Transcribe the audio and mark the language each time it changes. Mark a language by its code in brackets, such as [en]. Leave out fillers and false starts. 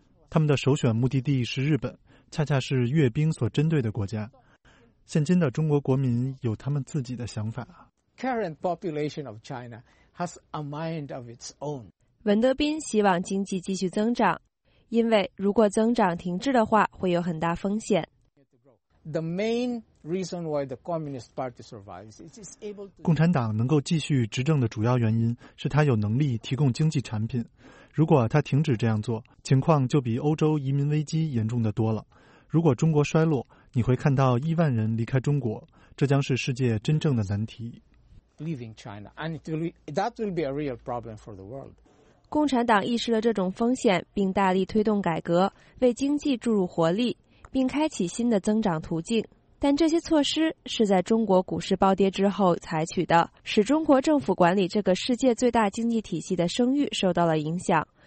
[zh] 他们的首选目的地是日本，恰恰是阅兵所针对的国家。现今的中国国民有他们自己的想法。 [en] Current population of China has a mind of its own. [zh] 文德斌希望经济继续增长，因为如果增长停滞的话，会有很大风险。 [en] The main reason why the Communist Party survives is it's able to. [zh] 共产党能够继续执政的主要原因是他有能力提供经济产品。如果他停止这样做，情况就比欧洲移民危机严重的多了。如果中国衰落，你会看到亿万人离开中国，这将是世界真正的难题。 [en] Leaving China, and that will be a real problem for the world. [zh] 共产党意识了这种风险，并大力推动改革，为经济注入活力，并开启新的增长途径。但这些措施是在中国股市暴跌之后采取的，使中国政府管理这个世界最大经济体系的声誉受到了影响。